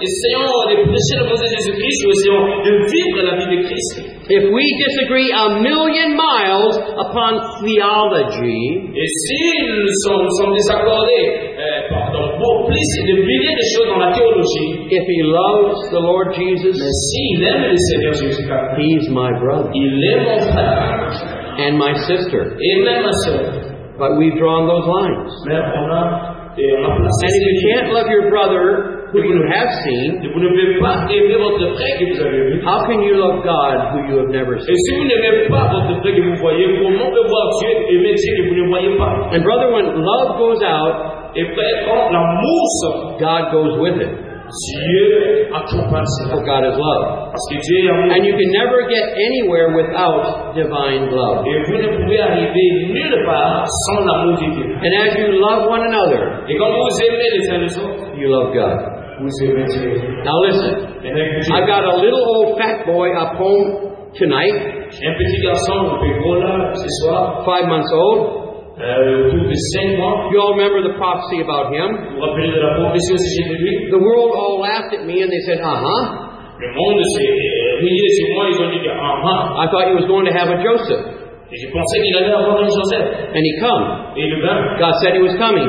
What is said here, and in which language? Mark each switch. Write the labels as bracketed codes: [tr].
[en] If we disagree a million miles upon theology, if he loves the Lord Jesus, he's my brother and my sister. But we've drawn those lines. And if you can't love your brother who you have seen, [fr] vous ne pouvez pas aimer votre frère que vous avez vu. [en] How can you love God who you have never seen? [fr] Et si vous n'aimez pas votre frère que vous voyez, comment pouvez-vous voir Dieu, aimer Dieu que vous ne voyez pas? [en] And brother, when love goes out, [fr] et frère, quand l'amour sort, [en] God goes with it. [fr] Dieu, [en] for God is love. [fr] Parce que Dieu est amour. [en] And you can never get anywhere without divine love. [fr] Et vous ne pouvez arriver nulle part sans l'amour de Dieu. [en] And as you love one another, [fr] et quand vous aimez les uns les autres, [en] you love God. [fr] Vous aimez Dieu. [en] Now listen, I've got a little old fat boy up home tonight. [fr] Un petit garçon, un petit gros là, ce soir. [en] 5 months old. You all remember the prophecy about him? The world all laughed at me and they said, uh-huh. I thought he was going to have a Joseph. And he come. God said he was coming.